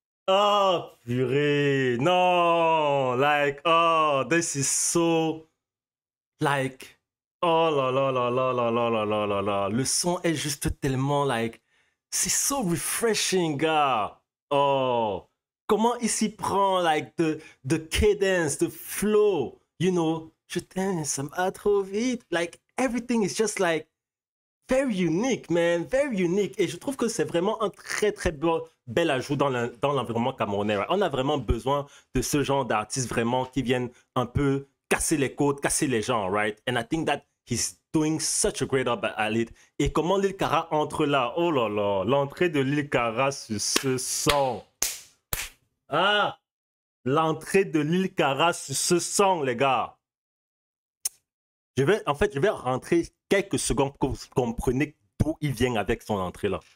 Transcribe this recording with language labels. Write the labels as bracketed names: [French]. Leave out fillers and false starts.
[French] Oh purée, non, like, oh, [English] this is so, [French] like, oh là là là là là là là là là là, le son est juste tellement, like, c'est [English] so refreshing, [French] gars, oh, comment il s'y prend, like, [English] the cadence, the flow, you know, [French] je t'aime, ça va trop vite, like, [English] everything is just, like, very unique, [French] man, very unique, et je trouve que c'est vraiment un très très bon, bel ajout dans l'environnement camerounais. Right? On a vraiment besoin de ce genre d'artistes vraiment qui viennent un peu casser les côtes, casser les gens, right? [English] And I think that he's doing such a great job at it. [French] Et comment Lil Kara entre là? Oh là là, l'entrée de Lil Kara sur ce son. Ah! L'entrée de Lil Kara sur ce son, les gars. Je vais rentrer quelques secondes pour que vous compreniez d'où il vient avec son entrée là.